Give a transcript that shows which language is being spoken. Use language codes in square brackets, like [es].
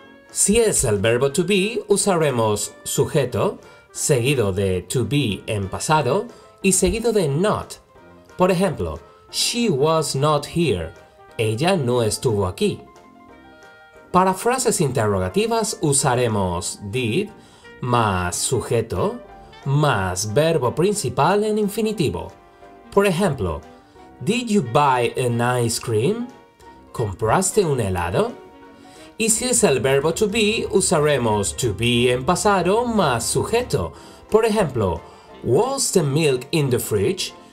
[es] Si es el verbo to be, usaremos sujeto, seguido de to be en pasado y seguido de not. Por ejemplo, [en] she was not here. [es] Ella no estuvo aquí. Para frases interrogativas usaremos did más sujeto más verbo principal en infinitivo. Por ejemplo, [en] did you buy an ice cream? [es] ¿Compraste un helado? Y si es el verbo to be, usaremos to be en pasado más sujeto. Por ejemplo, [en] was the milk in the fridge?